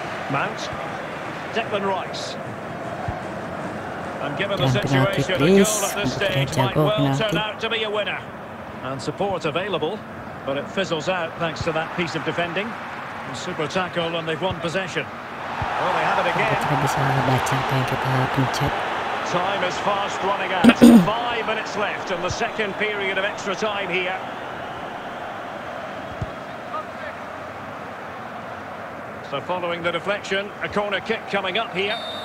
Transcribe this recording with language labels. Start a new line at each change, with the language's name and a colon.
English: Mount. Declan Rice. And given the situation, a goal at this stage might well turn out to be a winner. And support available. But it fizzles out thanks to that piece of defending. A super tackle, and they've won possession. Oh, they have it again.
Indonesian: Kita bisa baca apa yang kita pencet.
English: Time is fast running out. 5 minutes left in the second period of extra time here. So following the deflection, a corner kick coming up here.